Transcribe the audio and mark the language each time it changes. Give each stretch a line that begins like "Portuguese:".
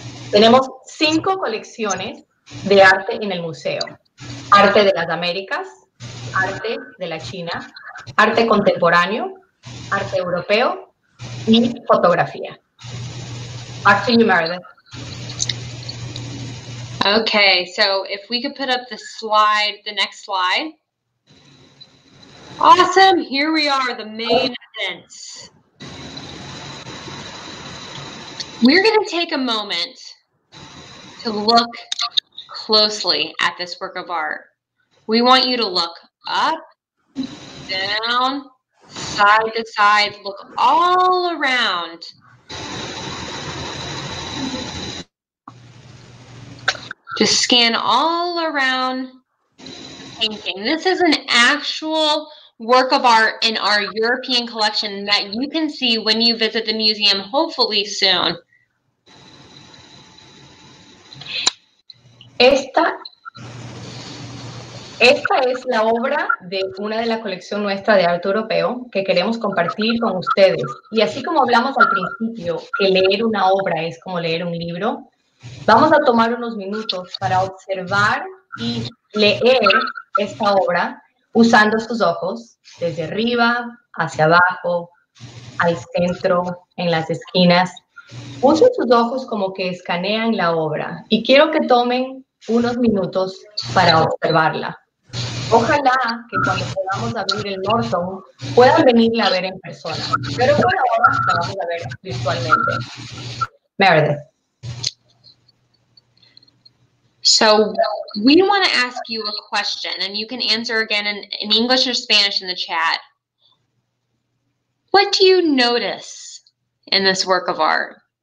Spanish: Tenemos 5 colecciones de arte en el museo. Arte de las Américas, arte de la China, arte contemporáneo, arte europeo, y fotografía.
English: Back to you, Meredith. Okay, so if we could put up the slide, the next slide. Awesome, here we are, the main events. We're going to take a moment to look closely at this work of art. We want you to look up, down, side to side, look all around. Just scan all around the painting. This is an actual work of art in our European collection that you can see when you visit the museum, hopefully soon.
Spanish: Esta es la obra de una de la colección nuestra de arte europeo que queremos compartir con ustedes. Y así como hablamos al principio que leer una obra es como leer un libro, vamos a tomar unos minutos para observar y leer esta obra usando sus ojos, desde arriba, hacia abajo, al centro, en las esquinas. Usen sus ojos como que escanean la obra y quiero que tomen unos minutos para observarla. Ojalá que cuando podamos abrir el Norton puedan venirla a ver en persona. Pero por ahora la vamos a ver virtualmente. Meredith.
English: So we want to ask you a question, and you can answer again in English or Spanish in the chat. What do you notice in this work of art?